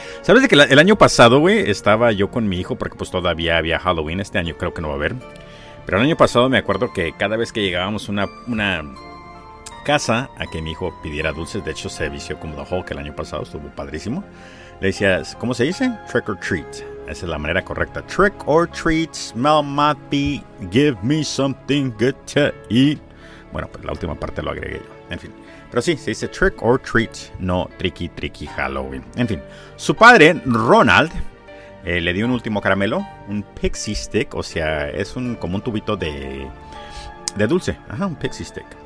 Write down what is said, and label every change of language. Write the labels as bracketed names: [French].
[Spanish] ¿Sabes de que el año pasado, güey, estaba yo con mi hijo porque pues todavía había Halloween? Este año creo que no va a haber. Pero el año pasado me acuerdo que cada vez que llegábamos a una casa a que mi hijo pidiera dulces, de hecho se vició como The Hulk el año pasado, estuvo padrísimo. Le decías, ¿cómo se dice? [English] Trick or treat. [Spanish] Esa es la manera correcta. [English] Trick or treat, smell my pee, give me something good to eat. [Spanish] Bueno, pues la última parte lo agregué yo. En fin. Pero sí, se dice [English] trick or treat, [Spanish] no [English] tricky tricky Halloween. [Spanish] En fin. Su padre, Ronald, le dio un último caramelo, un pixie stick. O sea, es como un tubito de dulce. Ajá, un pixie stick.